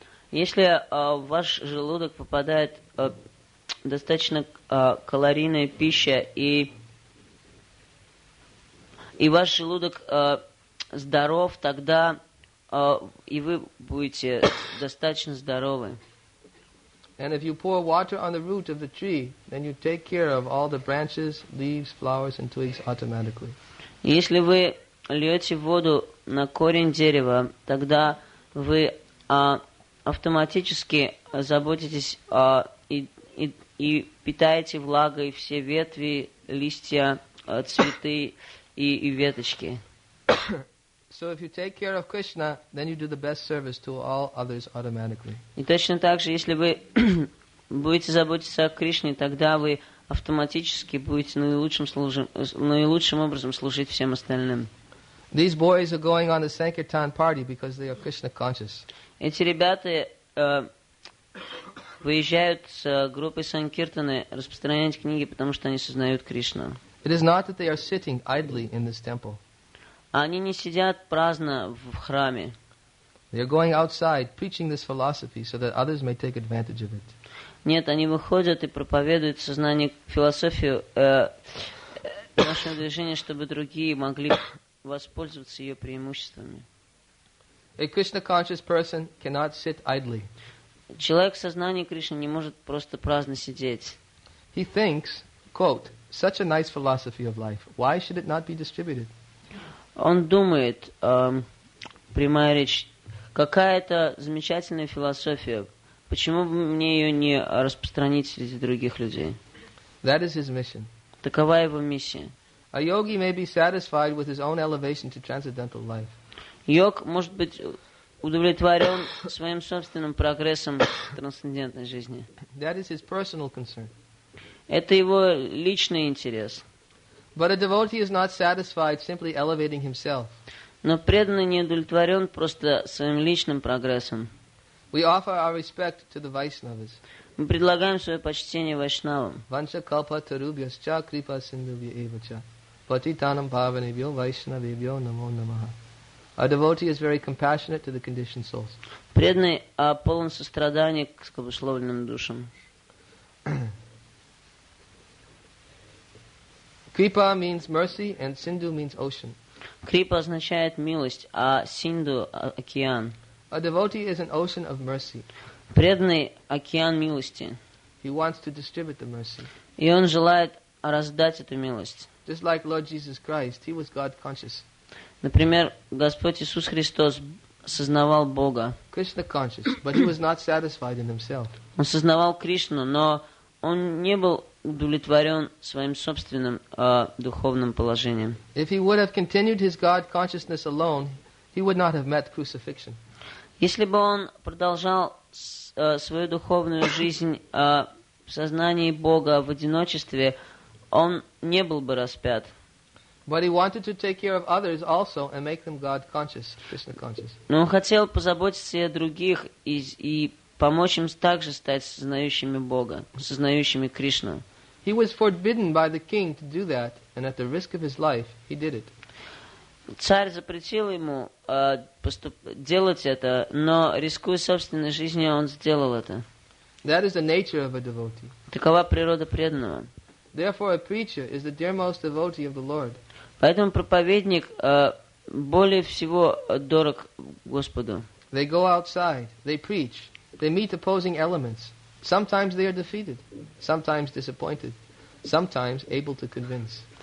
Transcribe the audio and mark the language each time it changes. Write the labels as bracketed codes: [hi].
[ru] Если в ваш желудок попадает достаточно калорийная пища и ваш желудок здоров, тогда и вы будете достаточно здоровы. [en] And if you pour water on the root of the tree, then you take care of all the branches, leaves, flowers, and twigs automatically. [ru] Если вы льете воду на корень дерева, тогда вы автоматически заботитесь и питаете влагой все ветви, листья цветы и веточки. [en] So if you take care of Krishna, then you do the best service to all others automatically. [ru] И точно так же, если вы будете заботиться о Кришне, тогда вы автоматически будете наилучшим образом служить всем остальным. [en] These boys are going on the Sankirtan party because they are Krishna conscious. [ru] Эти ребята выезжают с группой Санкиртаны распространять книги, потому что они сознают Кришну. [en] It is not that they are sitting idly in this temple. [ru] Они не сидят праздно в храме. [en] They are going outside preaching this philosophy so that others may take advantage of it. [ru] Нет, они выходят и проповедуют сознание, философию нашего движения, чтобы другие могли воспользоваться ее преимуществами. [en] A Krishna conscious person cannot sit idly. [ru] Человек в сознании Кришны не может просто праздно сидеть. [en] He thinks, quote, such a nice philosophy of life. Why should it not be distributed? [ru] Он думает, прямая речь, какая-то замечательная философия. Почему бы мне ее не распространить среди других людей? [en] That is his mission. [ru] Такова его миссия. [en] A yogi may be satisfied with his own elevation to transcendental life. [ru] Йог может быть удовлетворен своим собственным прогрессом в трансцендентной жизни. [en] That is his personal concern. [ru] Это его личный интерес. [en] But a devotee is not satisfied simply elevating himself. [ru] Но преданный не удовлетворен просто своим личным прогрессом. [en] We offer our respect to the Vaishnavas. [ru] Мы предлагаем свое почтение вайшнавам. [sa] Ванча калпа тарубьясча крипа синдубья эвача. Патитанам павенебьо вайшнавебьо намо намаха. [en] A devotee is very compassionate to the conditioned souls. [ru] Преданный полон сострадания к скобословленным душам. [en] Kripa means mercy and sindhu means ocean. [ru] Kripa означает милость, а синду океан. [en] A devotee is an ocean of mercy. [ru] Преданный океан милости. [en] He wants to distribute the mercy. [ru] И он желает раздать эту милость. [en] Just like Lord Jesus Christ, he was God conscious. [ru] Например, Господь Иисус Христос сознавал Бога. [en] Krishna conscious, but he was not satisfied in himself. [ru] Он сознавал Кришну, но он не был удовлетворен своим собственным духовным положением. [en] If he would have continued his God consciousness alone, he would not have met crucifixion. [ru] Если бы он продолжал свою духовную жизнь в сознании Бога в одиночестве, он не был бы распят. [en] But he wanted to take care of others also and make them God conscious, Krishna conscious. [ru] Но он хотел позаботиться о других и помочь им также стать сознающими Бога, сознающими Кришну. [en] He was forbidden by the king to do that, and at the risk of his life, he did it. [ru] Царь запретил ему делать это, но рискуя собственной жизнью, он сделал это. [en] That is the nature of a devotee. [ru] Такова природа преданного. [en] Therefore, a preacher is the dearmost devotee of the Lord. [ru] Поэтому проповедник более всего дорог Господу. [en] They go outside, they preach, they meet opposing elements. Sometimes they are defeated, sometimes disappointed, sometimes able to convince.